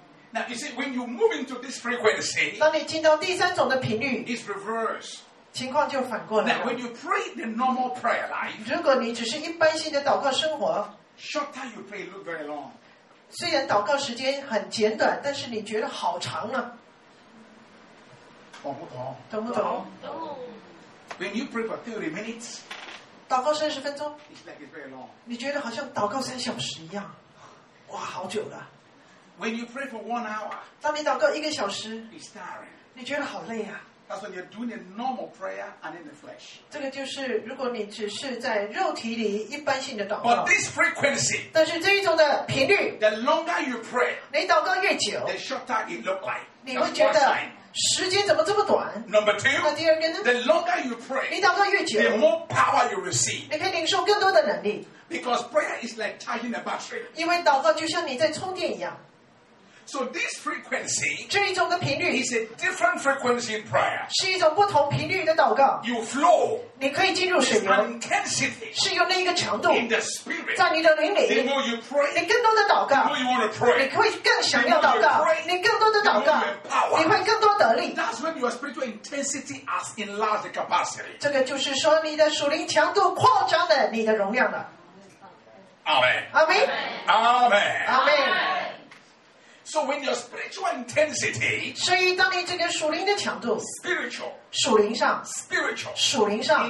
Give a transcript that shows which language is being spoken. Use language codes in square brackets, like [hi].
[en] Now you see, when you move into this frequency, [zh] 当你进到第三种的频率 [en] ，is reverse. [zh] 情况就反过来了。 [en] Now when you pray the normal prayer life, [zh] 如果你只是一般性的祷告生活 [en] ，short time you pray look very long. [zh] 虽然祷告时间很简短，但是你觉得好长啊。懂不懂？懂不懂？懂。 [en] When you pray for 30 minutes. [zh] 祷告三十分钟、 like、你觉得好像祷告三小时一样，哇，好久了。 [en] When you pray for one hour, [zh] 当你祷告一个小时， [en] it's tiring. [zh] 你觉得好累啊。 [en] That's when you're doing a normal prayer and in the flesh. [zh] 这个就是如果你只是在肉体里一般性的祷告。 [en] But this frequency, [zh] 但是这一种的频率， [en] the longer you pray, [zh] 你祷告越久， [en] the shorter it looks like. [zh] 你会觉得。时间怎么这么短？ [en] Number two, [zh] 那第二个呢？ [en] The longer you pray, [zh] 你祷告越久， [en] the more power you receive. [zh] 你可以领受更多的能力。 [en] Because prayer is like charging a battery. [zh] 因为祷告就像你在充电一样。 [en] So this frequency, [zh] 这一种的频率， [en] is a different frequency in prayer. [zh] 是一种不同频率的祷告。 [en] You flow, [zh] 你可以进入水流。 [en] Intensity, [zh] 是有那一个强度。 [en] In the spirit, [zh] 在你的灵里。 [en] The more you pray, [zh] 你更多的祷告。 [en] The more you want to pray, [zh] 你会更想要祷告。 [en] The more you pray, [zh] 你更多的祷告。 [en] The more you empower, [zh] 你会更多得力。 [en] That's when your spiritual intensity has enlarged capacity. [zh] 这个就是说你的属灵强度扩张了你的容量了。阿门。阿门。阿门。阿门。 [en] So when your spiritual intensity, [zh] 所以当你这个属灵的强度 [en] ，spiritual [zh] 属灵上 [en] ，spiritual [zh] 属灵上